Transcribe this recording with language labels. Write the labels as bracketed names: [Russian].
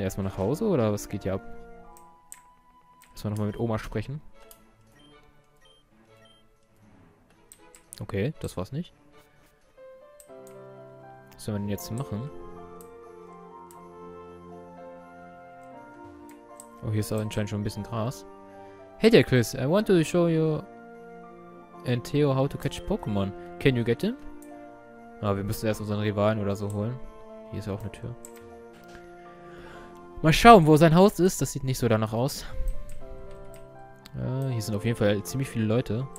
[German] Erstmal nach Hause oder was geht hier ab? Erstmal nochmal mit Oma sprechen. Okay, das war's nicht. Was sollen wir denn jetzt machen? Oh, hier ist auch anscheinend schon ein bisschen Gras. [English] Hey there, Chris. I want to show you and Theo how to catch Pokémon. Can you get them? [German] Ah, wir müssen erst unseren Rivalen oder so holen. Hier ist ja auch eine Tür. Mal schauen, wo sein Haus ist. Das sieht nicht so danach aus. Hier sind auf jeden Fall ziemlich viele Leute.